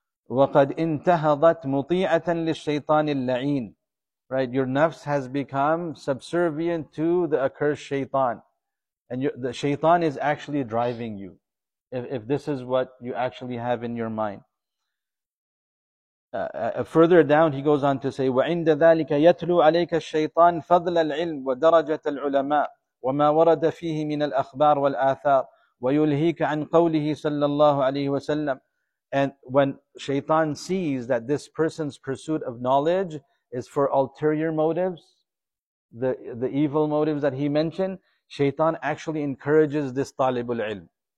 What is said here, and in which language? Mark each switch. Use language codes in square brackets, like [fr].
[ar] وَقَدْ انْتَهَضَتْ مُطِيعَةً لِلشَّيْطَانِ اللَّعِينِ. [en] Right, your nafs has become subservient to the accursed shaitan. And the shaitan is actually driving you, if this is what you actually have in your mind. Further down, he goes on to say, [ar] وَعِنْدَ ذَلِكَ يَتْلُو عَلَيْكَ الشَّيْطَانِ فَضْلَ الْعِلْمِ وَدَرَجَةَ الْعُلَمَاءِ وَمَا وَرَدَ فِيهِ مِنَ الْأَخْبَارِ وَالْآثَارِ وَيُلْهِيكَ عَنْ قَوْلِهِ صَلَّى اللَّهُ عَلَيْهِ وَسَلَّمَ. [en] And when shaitan sees that this person's pursuit of knowledge is for ulterior motives, the evil motives that he mentioned, shaitan actually encourages this talibul ilm.